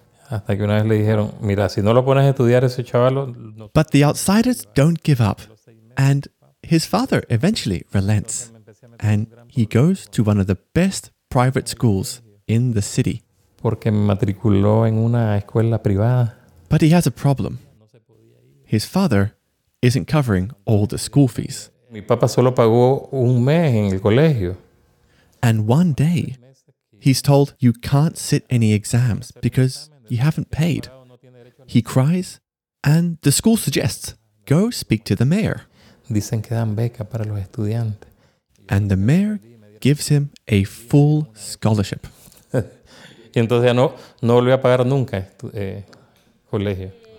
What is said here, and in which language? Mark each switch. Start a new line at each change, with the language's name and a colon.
English: But the outsiders don't give up, and his father eventually relents, and he goes to one of the best private schools in the city.
Spanish: Porque me matriculó en una escuela privada.
English: But he has a problem. His father isn't covering all the school fees.
Spanish: Mi papá solo pagó un mes en el colegio.
English: And one day, he's told you can't sit any exams because you haven't paid. He cries, and the school suggests, go speak to the mayor.
Spanish: Dicen que dan beca para los estudiantes.
English: And the mayor gives him a full scholarship.
Spanish: Y entonces ya no volví a pagar nunca colegio.